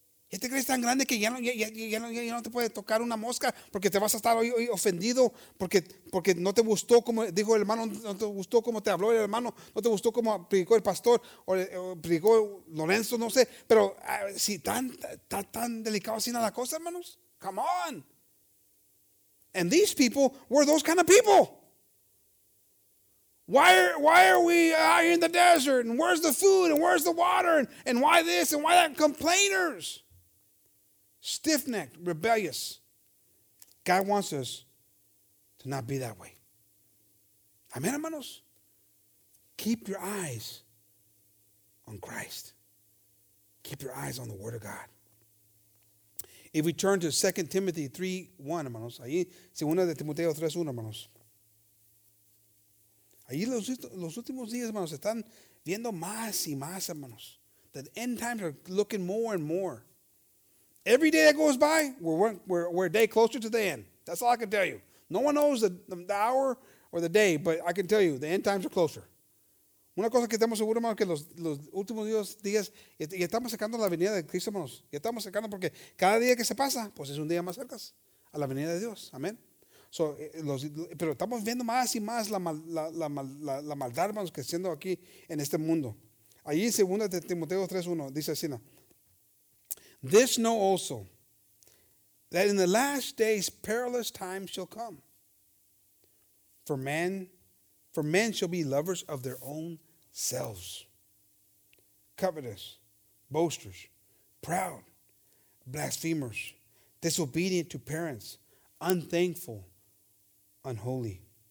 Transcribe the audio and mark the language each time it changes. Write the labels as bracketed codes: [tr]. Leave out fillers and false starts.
[es] ¿Ya te crees tan grande que ya no te puede tocar una mosca porque te vas a estar hoy ofendido porque no te gustó como dijo el hermano, no te gustó como te habló el hermano, no te gustó como predicó el pastor o predicó Lorenzo, no sé. Pero si tan delicado así la cosa, hermanos. [en] Come on. And these people were those kind of people. Why are we out here in the desert? And where's the food? And where's the water? And why this? And why that? Complainers. Stiff-necked, rebellious. God wants us to not be that way. Amen, hermanos? Keep your eyes on Christ. Keep your eyes on the Word of God. If we turn to 2 Timothy 3:1, [es] hermanos, ahí, segunda de Timoteo 3:1, hermanos. Ahí los últimos días, hermanos, están viendo más y más, hermanos. [en] The end times are looking more and more. Every day that goes by, we're a day closer to the end. That's all I can tell you. No one knows the hour or the day, but I can tell you, the end times are closer. [es] Una cosa que estamos seguros, hermanos, que los últimos días, ya estamos sacando la venida de Cristo, hermanos. Ya estamos sacando porque cada día que se pasa, pues es un día más cerca a la venida de Dios. Amén. So, pero estamos viendo más y más la maldad, hermanos, que siendo aquí en este mundo. Allí en 2 Timoteo 3:1 dice así, ¿no? [en] This know also, that in the last days perilous times shall come. For men shall be lovers of their own selves, covetous, boasters, proud, blasphemers, disobedient to parents, unthankful, unholy,